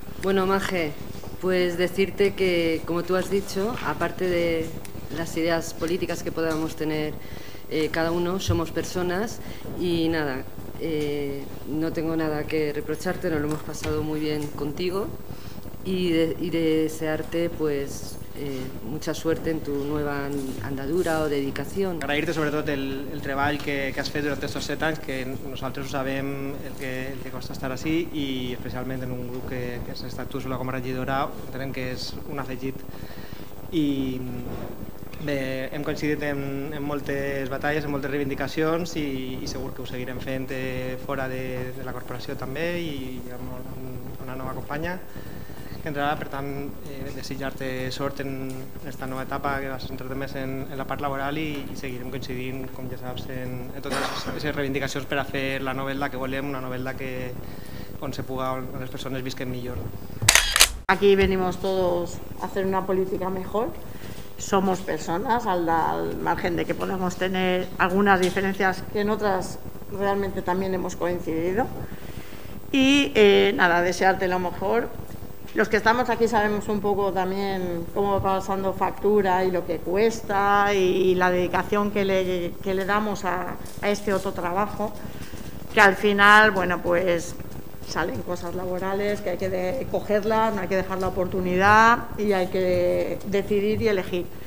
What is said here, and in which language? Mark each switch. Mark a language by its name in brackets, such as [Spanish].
[Spanish] Bueno, Maje, pues decirte que, como tú has dicho, aparte de las ideas políticas que podamos tener cada uno, somos personas y nada, no tengo nada que reprocharte, nos lo hemos pasado muy bien contigo y de desearte pues mucha suerte en tu nueva andadura o dedicación. [Catalan] Agrair-te sobretot el treball que has fet durant aquests 7 anys, que nosaltres ho sabem el que costa estar així, i especialment en un grup que has estat tu sola com a regidora, entenem que és un afegit i bé, hem coincidit en moltes batalles, en moltes reivindicacions i segur que ho seguirem fent fora de la corporació també i amb una nova companya que entrarà, per tant, desitjar-te sort en aquesta nova etapa que vas centrar-te més en la part laboral i seguirem coincidint, com ja saps, en totes les reivindicacions per a fer la novel·la que volem, una novel·la que on se puga, on les persones visquen millor. [Spanish] Aquí venimos todos a hacer una política mejor. Somos personas, al margen de que podemos tener algunas diferencias que en otras realmente también hemos coincidido. Y nada, desearte lo mejor. Los que estamos aquí sabemos un poco también cómo va pasando factura y lo que cuesta y la dedicación que le damos a este otro trabajo, que al final, bueno, pues salen cosas laborales que hay que cogerlas, no hay que dejar la oportunidad y hay que decidir y elegir.